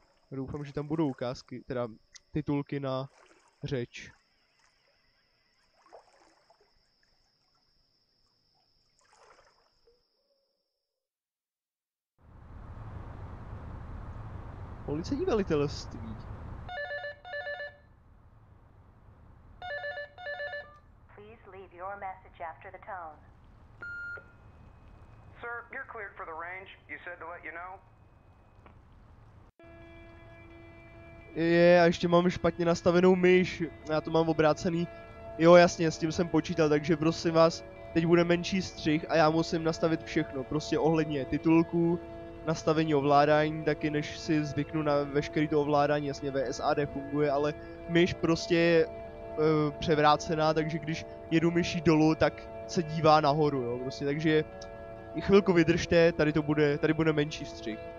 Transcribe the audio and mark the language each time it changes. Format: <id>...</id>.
<cs>Doufám, že tam budou ukázky, teda titulky na řeč. Policejní velitelství.</cs> <en>Please leave your message after the tone. Sir, you're cleared for the range. You said to let you know.</en> <cs>Je, a ještě mám špatně nastavenou myš. Já to mám obrácený. Jo, jasně, s tím jsem počítal, takže prosím vás, teď bude menší střih a já musím nastavit všechno, prostě ohledně titulků, nastavení ovládání, taky než si zvyknu na veškerý to ovládání, jasně VSAD funguje, ale myš prostě je převrácená, takže když jedu myší dolů, tak se dívá nahoru, jo, prostě, takže chvilku vydržte, tady bude menší střih.</cs>